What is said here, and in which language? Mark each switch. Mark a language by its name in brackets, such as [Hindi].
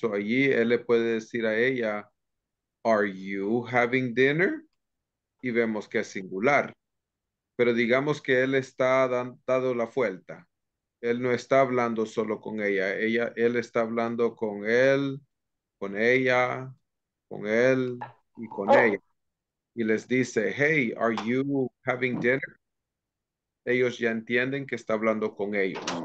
[Spanish] So allí él le puede decir a ella, [English] are you having dinner? [Spanish] Y vemos que es singular. Pero digamos que él está dando la vuelta. Él no está hablando solo con ella. Él está hablando con él, con ella, con él y con ella. Y les dice, [English] hey, are you having dinner? [Spanish] Ellos ya entienden que está hablando con ellos.